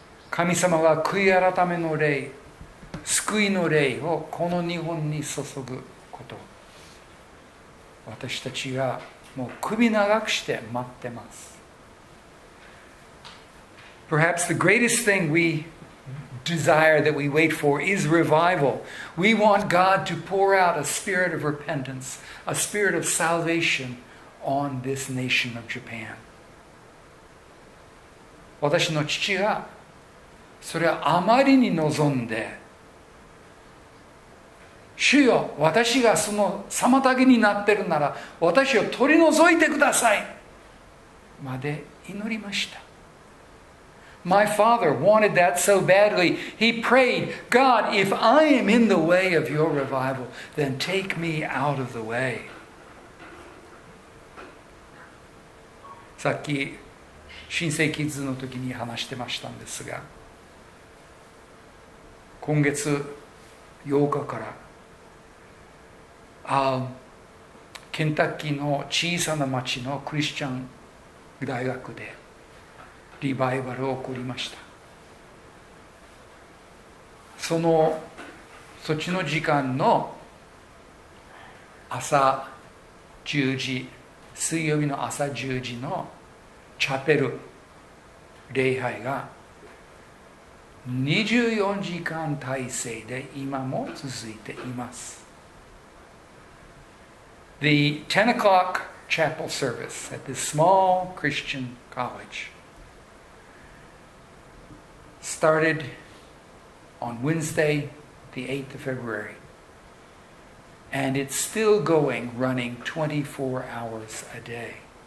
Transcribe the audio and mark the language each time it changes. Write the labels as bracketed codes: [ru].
[ja] 神様は悔い改めの礼、救いの霊をこの日本に注ぐこと、私たちがもう首長くして待ってます。 [en] Perhaps the greatest thing we desire that we wait for is revival. We want God to pour out a spirit of repentance, a spirit of salvation on this nation of Japan. [ja] 私の父がそれをあまりに望んで、主よ、私がその妨げになってるなら私を取り除いてくださいまで祈りました。 [en] My father wanted that so badly. He prayed, God, if I am in the way of your revival, then take me out of the way. [ja] さっき新生キッズの時に話してましたんですが、今月8日からケンタッキーの小さな町のクリスチャン大学でリバイバルを起こりました。そのそっちの時間の朝10時、水曜日の朝10時のチャペル礼拝が24時間体制で今も続いています。 [en] The 10 o'clock chapel service at this small Christian college started on Wednesday, the 8th of February, and it's still going, running 24 hours a day.